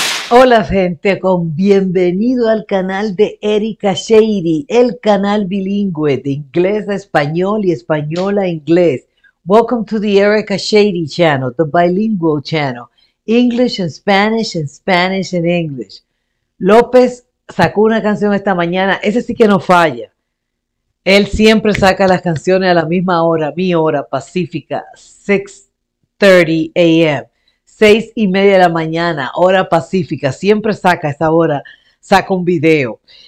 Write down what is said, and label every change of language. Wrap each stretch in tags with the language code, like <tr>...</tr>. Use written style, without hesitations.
<es>Hola gente, con bienvenido al canal de Erika Sheidy, el canal bilingüe de inglés a español y español a inglés.</es> <en>Welcome to the Erika Sheidy channel, the bilingual channel, English and Spanish in English.</en> <es>López sacó una canción esta mañana, ese sí que no falla. Él siempre saca las canciones a la misma hora, mi hora pacífica, 6:30 a.m. 6:30 de la mañana, hora pacífica, siempre saca a esa hora, saca un video.</es>